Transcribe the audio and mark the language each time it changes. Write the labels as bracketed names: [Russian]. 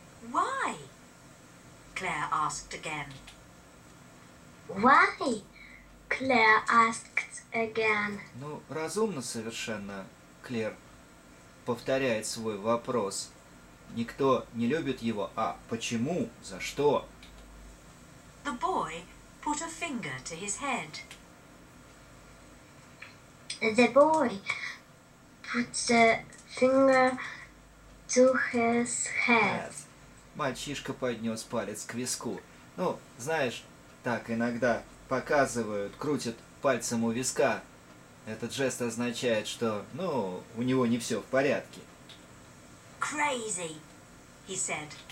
[English] Why? Claire asked again. Why? Claire asked again. [Russian] Ну, разумно совершенно, Клэр повторяет свой вопрос. Никто не любит его, а почему, за что? [English] The boy put a finger to his head. The boy put a finger to his head. [Russian] Мальчишка поднес палец к виску. Ну, знаешь, так иногда показывают, крутят пальцем у виска. Этот жест означает, что, ну, у него не все в порядке. [English] Crazy, he said.